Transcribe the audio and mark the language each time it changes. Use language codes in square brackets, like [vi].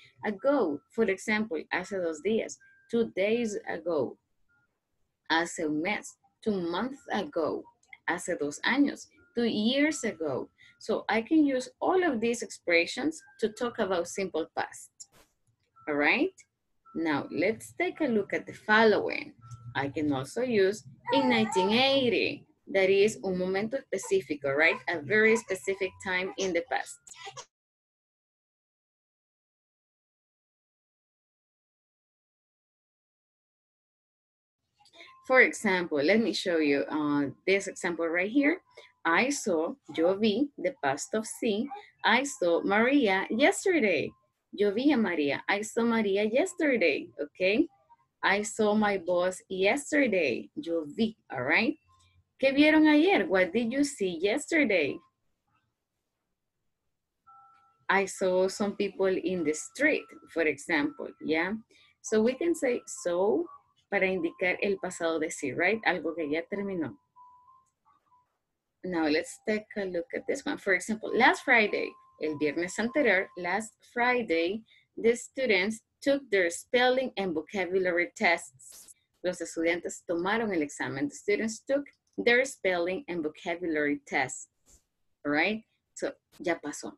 [en] Ago, for example, [es] hace dos días, [en] 2 days ago, [es] hace un mes, [en] 2 months ago, [es] hace dos años, [en] 2 years ago. So I can use all of these expressions to talk about simple past. All right? Now let's take a look at the following. I can also use in 1980. That is [es] un momento específico, [en] right? A very specific time in the past. For example, let me show you this example right here. I saw, [es] yo vi, [en] the past of see, I saw Maria yesterday. [es] Yo vi a Maria, [en] I saw Maria yesterday, okay? I saw my boss yesterday, [es] yo vi, [en] all right? [es] ¿Qué vieron ayer? [en] What did you see yesterday? I saw some people in the street, for example, yeah? So we can say so [es] para indicar el pasado de sí, right? Algo que ya terminó. [en] Now let's take a look at this one. For example, last Friday, [es] el viernes anterior, [en] last Friday, the students took their spelling and vocabulary tests. [es] Los estudiantes tomaron el examen. [en] The students took their spelling and vocabulary tests. All right? So, [es] ya pasó.